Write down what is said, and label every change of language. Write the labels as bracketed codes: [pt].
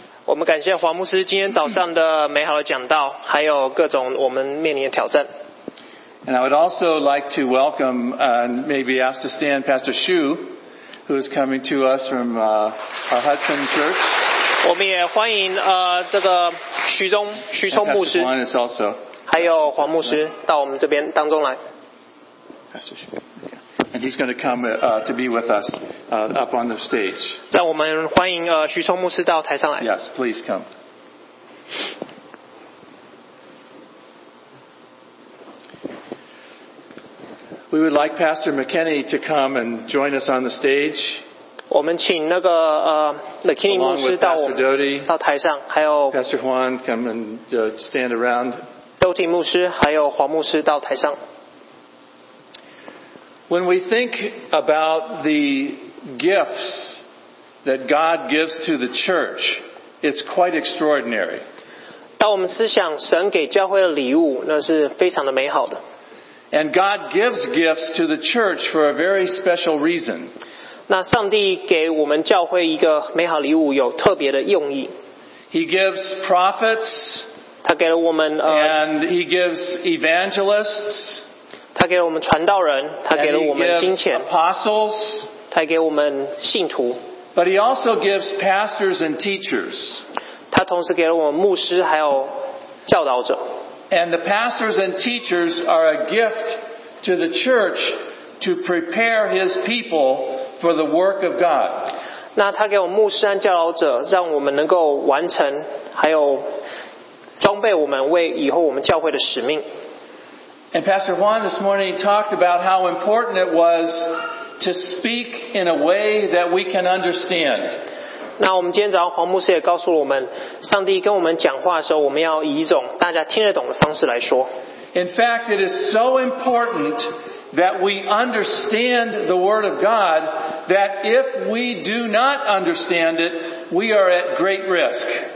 [zh] 我们感谢黄牧师今天早上的美好的讲道，还有各种我们面临的挑战。 [en] And I would also like to welcome and maybe ask to stand Pastor Xu, who is coming to us from our Hudson Church. [zh] 我们也欢迎这个徐聪牧师， [en] Pastor Juan is also, [zh] 还有黄牧师到我们这边当中来。 [en] Pastor Xu. And he's going to come to be with us up on the stage. [zh] 让我们欢迎徐聪牧师到台上来。 [en] Yes, please come. We would like Pastor McKinney to come and join us on the stage. [zh] 我们请那个McKinney 牧师到我们 [en] Pastor Doty, [zh] 到台上，还有 [en] Pastor Juan come and stand around. [zh] Doty 牧师还有黄牧师到台上。 [en] When we think about the gifts that God gives to the church, it's quite extraordinary. [zh] 当我们思想神给教会的礼物，那是非常的美好的。 [en] And God gives gifts to the church for a very special reason. [zh] 那上帝给我们教会一个美好礼物，有特别的用意。 [en] He gives prophets. [zh] 他给了我们 [en] And he gives evangelists. [zh] 他给了我们传道人，他给了我们金钱。 [en] Apostles, [zh] 他给我们信徒。 [en] But he also gives pastors and teachers. [zh] 他同时给了我们牧师还有教导者。 [en] And the pastors and teachers are a gift to the church to prepare his people for the work of God. [zh] 那他给我们牧师和教导者，让我们能够完成，还有装备我们为以后我们教会的使命。 [en] And Pastor Juan this morning talked about how important it was to speak in a way that we can understand. [zh] 那我们今天早上黄牧师也告诉了我们，上帝跟我们讲话的时候，我们要以一种大家听得懂的方式来说。 [en] In fact, it is so important that we understand the Word of God that if we do not understand it, we are at great risk.